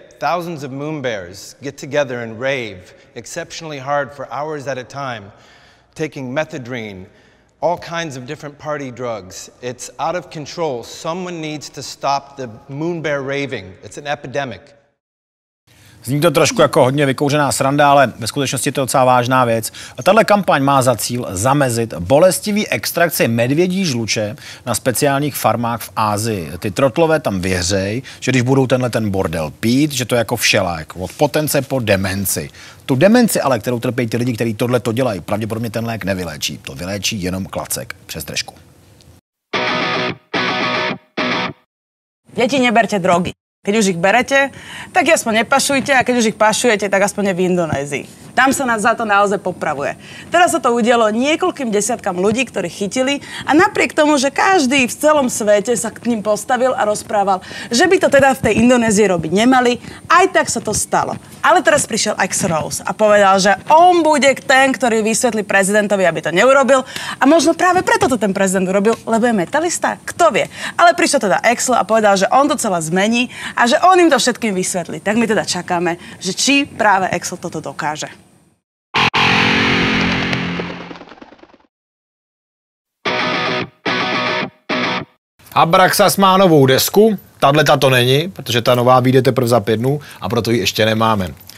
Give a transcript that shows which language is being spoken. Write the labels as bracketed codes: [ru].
[en] Thousands of moon bears get together and rave exceptionally hard for hours at a time, taking methadrine, all kinds of different party drugs. It's out of control. Someone needs to stop the moon bear raving. It's an epidemic. [cs] Zní to trošku jako hodně vykouřená sranda, ale ve skutečnosti je to docela vážná věc. Tato kampaň má za cíl zamezit bolestivý extrakci medvědí žluče na speciálních farmách v Ázii. Ty trotlové tam věřej, že když budou tenhle ten bordel pít, že to je jako všelék, od potence po demenci. Tu demenci ale, kterou trpějí ty lidi, kteří tohle to dělají, pravděpodobně ten lék nevyléčí. To vyléčí jenom klacek přes držku. Děti, neberte drogy. [sk] Keď už ich berete, tak aspoň nepašujte a keď už ich pašujete, tak aspoň v Indonézii. Tam sa nás za to naozaj popravuje. Teraz sa to udialo niekoľkým desiatkam ľudí, ktorí chytili a napriek tomu, že každý v celom svete sa k ním postavil a rozprával, že by to teda v tej Indonézii robiť nemali, aj tak sa to stalo. Ale teraz prišiel X-Rose a povedal, že on bude ten, ktorý vysvetlí prezidentovi, aby to neurobil a možno práve preto to ten prezident urobil, lebo je metalista, kto vie. Ale prišiel teda X-Rose a povedal, že on to celé zmení a že on im to všetkým vysvetlí. Tak my teda čakáme, že či práve X-Rose toto dokáže. [cs] Abraxas má novou desku, tato to není, protože ta nová vyjde teprve za 5 dnů a proto ji ještě nemáme.